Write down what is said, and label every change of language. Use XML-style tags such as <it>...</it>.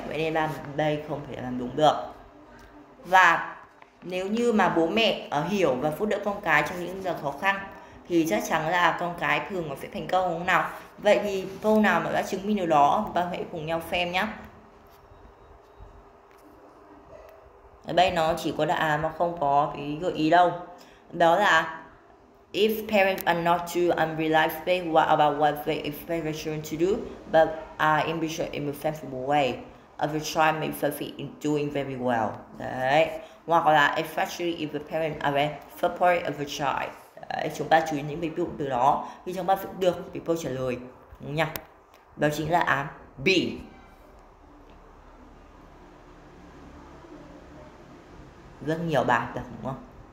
<vi>Vậy nên là đây không thể làm đúng được. Và nếu như mà bố mẹ hiểu và giúp đỡ con cái trong những giờ khó khăn thì chắc chắn là con cái thường sẽ thành công không nào. Vậy thì câu nào mà đã chứng minh điều đó, bà hãy cùng nhau xem nhé. Ở đây nó chỉ có đáp án mà không có cái gợi ý đâu. Đó là</vi> <en>if parents are not too unreliable about what they expect their children to do, but are ambitious in a sensible way, the child may succeed in doing very well.</en> <vi>Đấy. Hoặc là</vi> <en>especially if the parents are supportive of the child.</en> <vi>Đấy. Chúng ta chú ý những ví dụ từ đó thì chúng ta sẽ được cái câu trả lời. Đúng nhỉ? Đó chính là án B. Rất nhiều bài tập đúng không?</vi>